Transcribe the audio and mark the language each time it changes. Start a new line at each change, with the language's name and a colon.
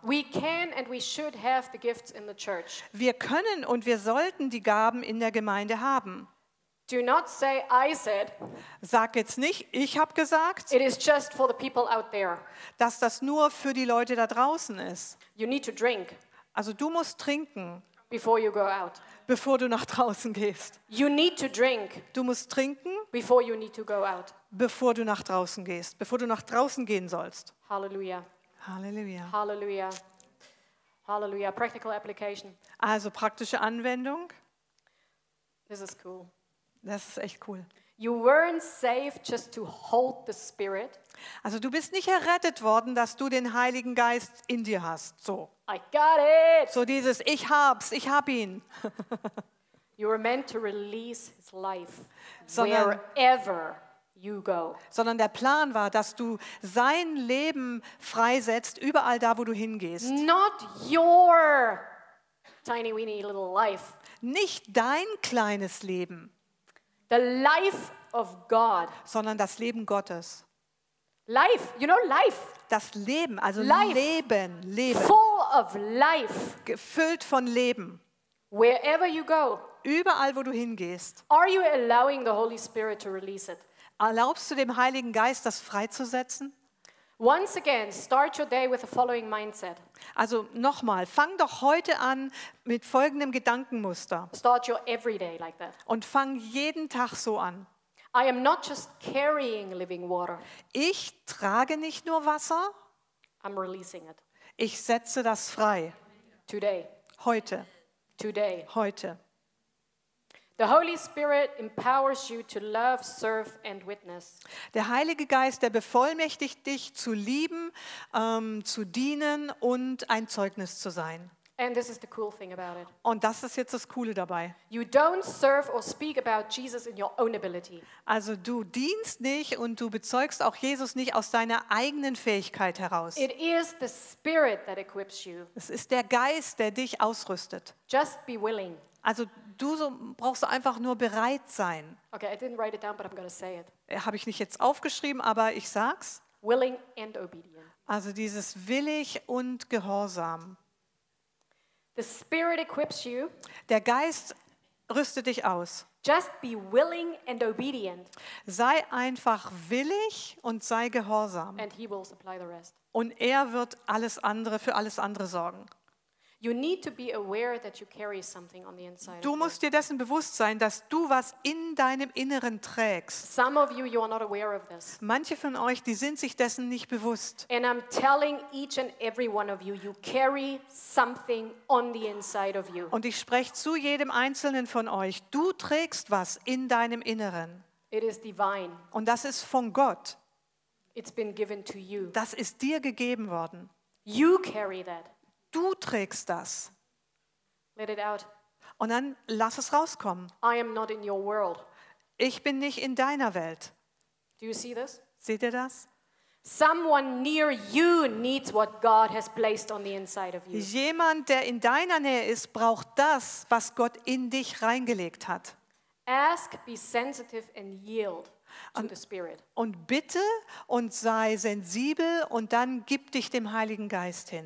English: We can and we should have the gifts in the church.
German: Wir können und wir sollten die Gaben in der Gemeinde haben.
English: Do not say I said.
German: Sag jetzt nicht, ich habe gesagt.
English: It is just for the people out there.
German: Dass das nur für die Leute da draußen ist.
English: You need to drink.
German: Also du musst trinken.
English: Before you go out.
German: Bevor du nach draußen gehst.
English: You need to drink.
German: Du musst trinken.
English: Before you need to go out.
German: Bevor du nach draußen gehst, bevor du nach draußen gehen sollst.
English: Halleluja.
German: Halleluja. Halleluja. Halleluja.
English: Practical application.
German: Also praktische Anwendung.
English: This is cool.
German: Das ist echt cool.
English: You weren't saved just to hold the Spirit.
German: Also du bist nicht errettet worden, dass du den Heiligen Geist in dir hast.
English: So. I got it.
German: So dieses Ich hab's, ich hab ihn.
English: You were meant to release his life wherever. You go.
German: Sondern der Plan war, dass du sein Leben freisetzt, überall da, wo du hingehst.
English: Not your tiny weeny little life.
German: Nicht dein kleines Leben.
English: The life of God.
German: Sondern das Leben Gottes.
English: Life, you know, life.
German: Das Leben, also life. Leben, Leben.
English: Full of life.
German: Gefüllt von Leben.
English: Wherever you go.
German: Überall, wo du hingehst.
English: Are you allowing the Holy Spirit to release it?
German: Erlaubst du dem Heiligen Geist, das freizusetzen?
English: Once again, start your day with the following mindset.
German: Also nochmal, fang doch heute an mit folgendem Gedankenmuster.
English: Start your everyday like that.
German: Und fang jeden Tag so an.
English: I am not just carrying living water.
German: Ich trage nicht nur Wasser.
English: I'm releasing it.
German: Ich setze das frei.
English: Today.
German: Heute.
English: Today.
German: Heute.
English: The Holy Spirit empowers you to love, serve and witness.
German: Der Heilige Geist, der bevollmächtigt dich zu lieben, zu dienen und ein Zeugnis zu sein.
English: And this is the cool thing about it.
German: Und das ist jetzt das Coole dabei.
English: You don't serve or speak about Jesus in your own ability.
German: Also du dienst nicht und du bezeugst auch Jesus nicht aus deiner eigenen Fähigkeit heraus.
English: It is the Spirit that equips you.
German: Es ist der Geist, der dich ausrüstet.
English: Just be willing.
German: Also du so brauchst einfach nur bereit sein.
English: Okay, I didn't write it down, but I'm going to say it.
German: Habe ich nicht jetzt aufgeschrieben, aber ich sag's.
English: Willing and obedient.
German: Also dieses willig und gehorsam.
English: The Spirit equips you.
German: Der Geist rüstet dich aus.
English: Just be willing and obedient.
German: Sei einfach willig und sei gehorsam.
English: And he will supply the rest.
German: Und er wird alles andere für alles andere sorgen.
English: You need to be aware that you carry something on the inside.
German: Du musst dir dessen bewusst sein, dass du was in deinem Inneren trägst.
English: Some of you are not aware of this.
German: Manche von euch, die sind sich dessen nicht bewusst.
English: And I'm telling each and every one of you, you carry something on the inside of you.
German: Und ich spreche zu jedem einzelnen von euch, du trägst was in deinem Inneren.
English: It is divine.
German: Und das ist von Gott.
English: It's been given to you.
German: Das ist dir gegeben worden.
English: You carry that.
German: Du trägst das.
English: Let it out.
German: Und dann lass es rauskommen.
English: I am not in your world.
German: Ich bin nicht in deiner Welt.
English: Do you see this?
German: Seht ihr das?
English: Someone near you needs what God has placed on the inside of you.
German: Jemand, der in deiner Nähe ist, braucht das, was Gott in dich reingelegt hat.
English: Ask, be sensitive and yield. To the Spirit.
German: Und bitte und sei sensibel und dann gib dich dem Heiligen Geist hin.